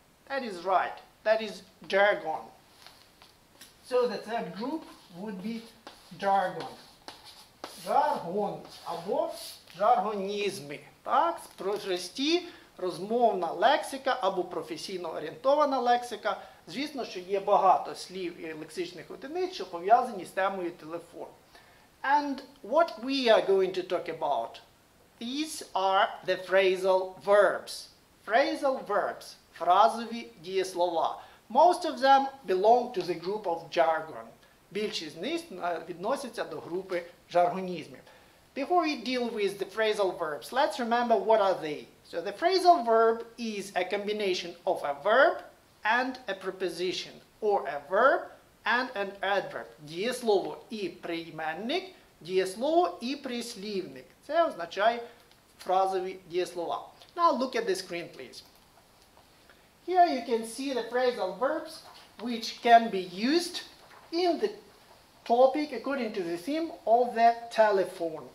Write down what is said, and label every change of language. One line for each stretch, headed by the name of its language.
English: That is right. That is jargon. So the third group would be jargon.
Ukrainian: Жаргон або жаргонізми. Так, прості розмовна лексика або професійно орієнтована лексика. Звісно, що є багато слів і лексичних одиниць, що пов'язані з темою телефон.
English: And what we are going to talk about? These are the phrasal verbs. Phrasal verbs,
Ukrainian: фразові дієслова.
English: Most of them belong to the group of jargon.
Ukrainian: Більшість з них відносяться до групи жаргонізмів.
English: Before we deal with the phrasal verbs, let's remember what are they. So the phrasal verb is a combination of a verb and a preposition, or a verb and an adverb.
Ukrainian: Дієслово і прийменник, дієслово і прислівник. Це означає фразові дієслова.
English: Now look at the screen, please. Here you can see the phrasal verbs which can be used in the topic according to the theme of the telephone.